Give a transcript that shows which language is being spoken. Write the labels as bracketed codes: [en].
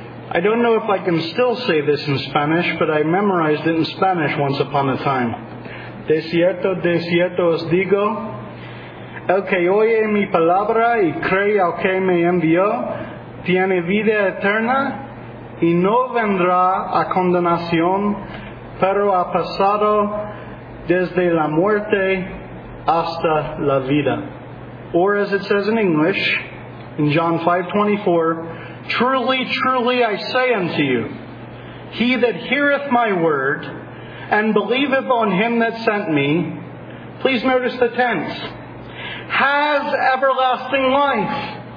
[en] I don't know if I can still say this in Spanish, but I memorized it in Spanish once upon a time. [es] De cierto os digo, el que oye mi palabra y cree al que me envió, tiene vida eterna y no vendrá a condenación, pero ha pasado desde la muerte hasta la vida. [en] Or as it says in English, in John 5:24, truly, truly, I say unto you, he that heareth my word and believeth on him that sent me, please notice the tense, has everlasting life.